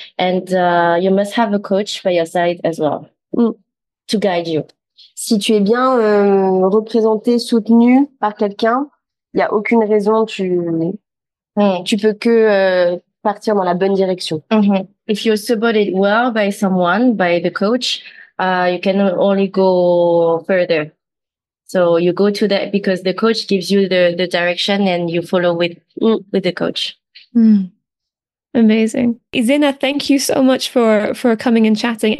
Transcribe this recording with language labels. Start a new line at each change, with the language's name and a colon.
English: And you must have a coach by your side as well. Mm. To guide you.
French: Si tu es bien représenté, soutenu par quelqu'un, il n'y a aucune raison, tu peux que partir dans la bonne direction. Mm-hmm.
English: If you're supported well by someone, by the coach, you can only go further. So you go to that because the coach gives you the direction and you follow with the coach. Mm. Amazing. Izena, thank you so much for coming and chatting.